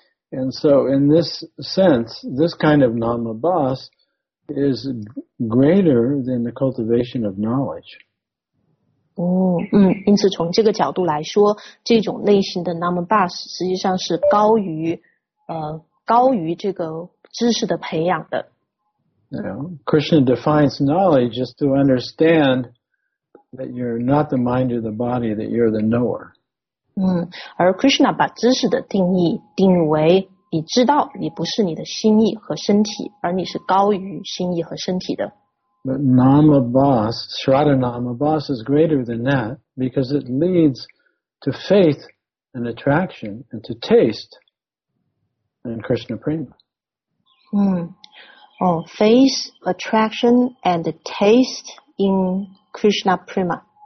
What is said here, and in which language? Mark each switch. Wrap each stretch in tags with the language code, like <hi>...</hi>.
<en>And so in this sense, this kind of Nama Bas is greater than the cultivation of knowledge.</en> <zh>因此从这个角度来说，这种类型的 Nama Bas 实际上是高于这个知识的培养的。</zh> <en>Krishna defines knowledge just to understandthat you're not the mind or the body, that you're the knower.</en> <zh>而 Krishna 把知识的定义为你知道你不是你的心意和身体，而你是高于心意和身体的。</zh> <en>But Nama Bas, Shraddha Nama Bas is greater than that because it leads to faith and attraction and to taste and Krishna Prema. Faith, attraction and taste in Krishna Prema.</en>